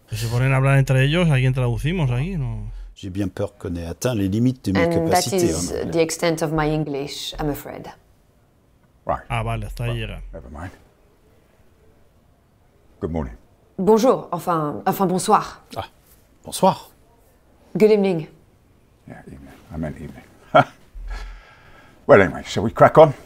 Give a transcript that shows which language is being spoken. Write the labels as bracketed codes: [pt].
[es] Se ponen a hablar entre ellos, alguien traducimos ahí, ¿no? [fr] J'ai bien peur qu'on ait atteint les limites de mes capacités. [en] And that is the extent of my English, I'm afraid. Right. [es] Ah, vale, hasta ahí llega. [en] Never mind. Good morning. [fr] Bonjour, enfin bonsoir. Ah. Bonsoir. [en] Good evening. Yeah, evening. I meant evening. Well, anyway, shall we crack on?